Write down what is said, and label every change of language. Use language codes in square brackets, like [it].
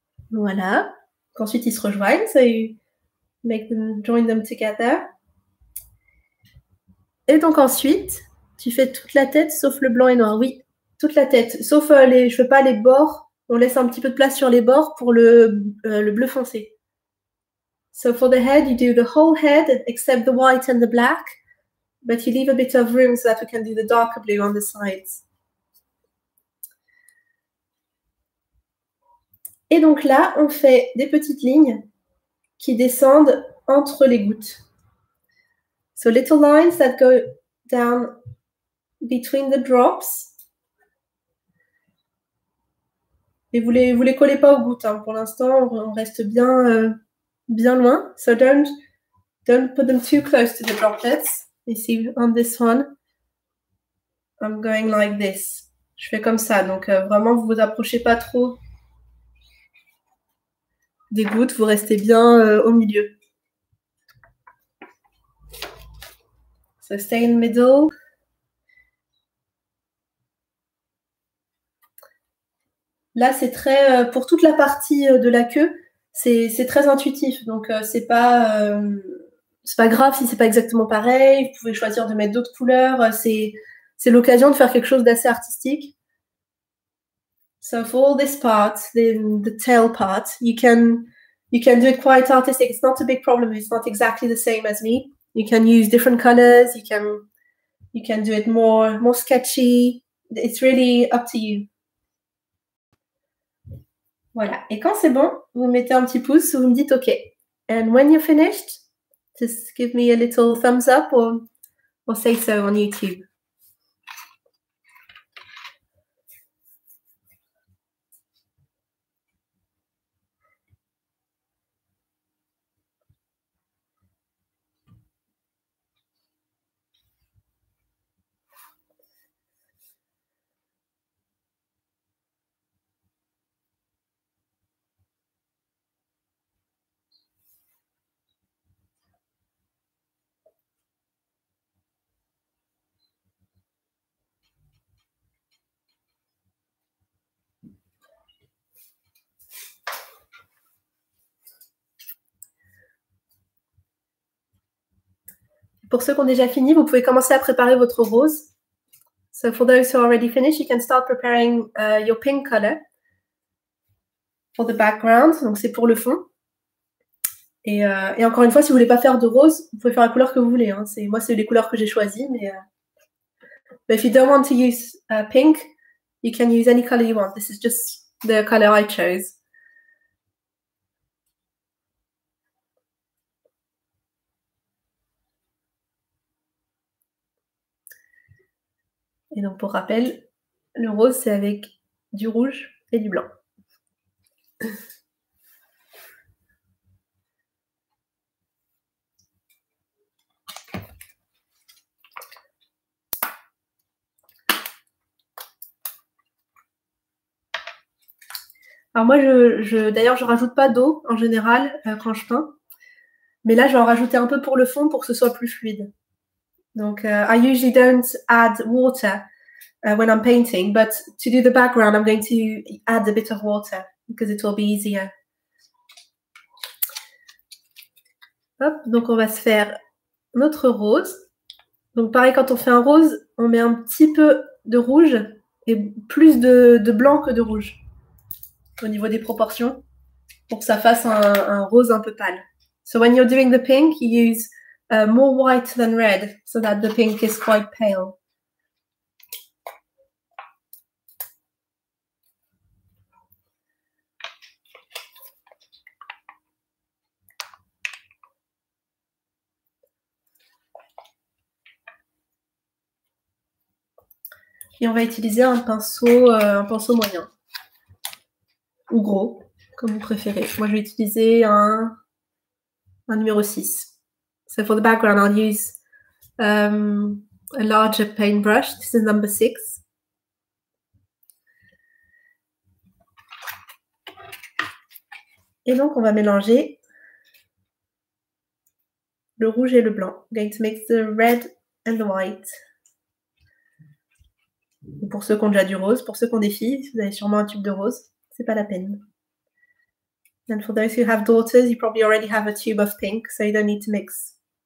[fr] Voilà. Ensuite, ils se rejoignent. [en] So, you make them, join them together. [fr] Et donc ensuite, tu fais toute la tête sauf le blanc et noir. Oui, toute la tête. Sauf les, je veux pas les bords. On laisse un petit peu de place sur les bords pour le bleu foncé. [en] So for the head, you do the whole head except the white and the black, but you leave a bit of room so that we can do the darker blue on the sides. [fr] Et donc là, on fait des petites lignes qui descendent entre les gouttes. [en] So little lines that go down between the drops. [fr] Et vous les collez pas aux gouttes. Hein. Pour l'instant, on reste bien, bien loin. [en] So don't put them too close to the droplets. You see, on this one, I'm going like this. [fr] Je fais comme ça. Donc vraiment, vous vous approchez pas trop des gouttes. Vous restez bien au milieu. [en] So stay in the middle. [fr] Là, c'est très pour toute la partie de la queue, c'est très intuitif. Donc, c'est pas grave si c'est pas exactement pareil. Vous pouvez choisir de mettre d'autres couleurs. C'est l'occasion de faire quelque chose d'assez artistique. [en] So for all this part, the tail part, you can do it quite artistic. It's not a big problem. It's not exactly the same as me. You can use different colors. You can do it more sketchy. It's really up to you. [fr] Voilà. Et quand c'est bon, vous mettez un petit pouce ou vous me dites OK. [en] And when you're finished, just give me a little thumbs up or say so on YouTube. [fr] Pour ceux qui ont déjà fini, vous pouvez commencer à préparer votre rose. [en] So for those who are already finished, you can start preparing your pink color for the background. [fr] Donc c'est pour le fond. Et encore une fois, si vous voulez pas faire de rose, vous pouvez faire la couleur que vous voulez. Hein. C'est les couleurs que j'ai choisies. [en] Mais if you don't want to use pink, you can use any color you want. This is just the color I chose. [fr] Et donc, pour rappel, le rose, c'est avec du rouge et du blanc. Alors moi, d'ailleurs, je ne rajoute pas d'eau en général quand je peins. Mais là, je vais en rajouter un peu pour le fond, pour que ce soit plus fluide. [en] Donc, I usually don't add water when I'm painting, but to do the background, I'm going to add a bit of water because it will be easier. [fr] Hop, donc on va se faire notre rose. Donc pareil, quand on fait un rose, on met un petit peu de rouge et plus de blanc que de rouge au niveau des proportions pour que ça fasse un rose un peu pâle. [en] So when you're doing the pink, you use more white than red so that the pink is quite pale. [fr] Et on va utiliser un pinceau moyen. Ou gros, comme vous préférez. Moi, je vais utiliser un numéro 6. [en] So for the background, I'll use a larger paintbrush. This is number 6. [fr] Et donc, on va mélanger le rouge et le blanc. [en] I'm going to mix the red and the white. [fr] Et pour ceux qui ont déjà du rose, pour ceux qui ont des filles, vous avez sûrement un tube de rose, c'est pas la peine. [en] And for those who have daughters, you probably already have a tube of pink, so you don't need to mix.